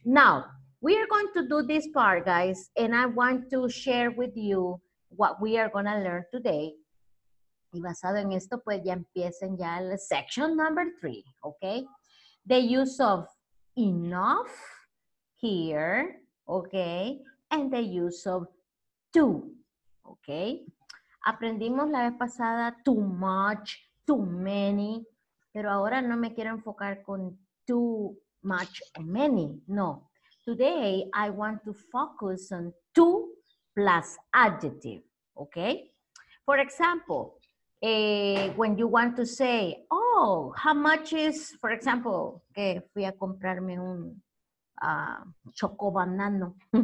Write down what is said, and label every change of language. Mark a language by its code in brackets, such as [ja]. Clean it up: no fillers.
[en] Now we are going to do this part, guys, and I want to share with you what we are going to learn today. [es] Y basado en esto, pues ya empiecen ya la [en] section number 3. Okay. The use of enough here, okay, and the use of too, okay. [es] Aprendimos la vez pasada [en] too much, too many, [es] pero ahora no me quiero enfocar con [en] too much or many, [es] no. [en] Today, I want to focus on too plus adjective, okay. For example, when you want to say, oh, how much is, for example, [es] que fui a comprarme un choco banano.